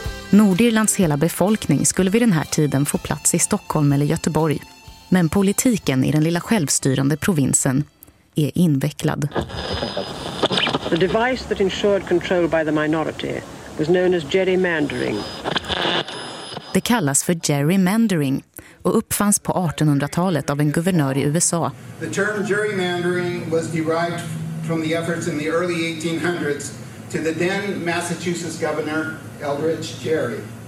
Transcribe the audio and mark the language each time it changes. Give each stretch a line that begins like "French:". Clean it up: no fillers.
Swedish: Nordirlands hela befolkning skulle vid den här tiden få plats i Stockholm eller Göteborg. Men politiken i den lilla självstyrande provinsen är invecklad.
English: The device that ensured control by the minority was known as gerrymandering.
Swedish: Det kallas för gerrymandering och uppfanns på 1800-talet av en guvernör i USA.
English: The term gerrymandering was derived from the efforts in the early 1800s to the then Massachusetts governor Eldridge Gerry.